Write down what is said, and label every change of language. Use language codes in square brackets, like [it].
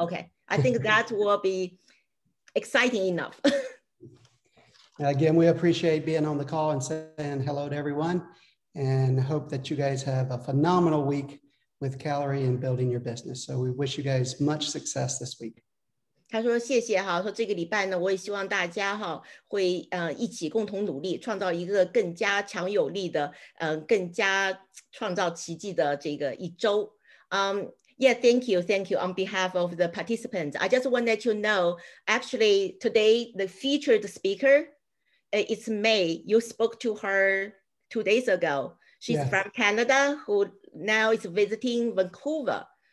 [en] Okay. I think that will be exciting enough. Again, we appreciate being on the call and saying hello to everyone, and hope that you guys have a phenomenal week with Calery and building your business. So we wish you guys much success this week. [zh] 他说："谢谢哈，说这个礼拜呢，我也希望大家哈会一起共同努力，创造一个更加强有力的，更加创造奇迹的这个一周。 [en] Yeah, thank you. Thank you. On behalf of the participants, I just want to let you know, actually, today, the featured speaker, it's May. You spoke to her 2 days ago. She's from Canada, who now is visiting Vancouver.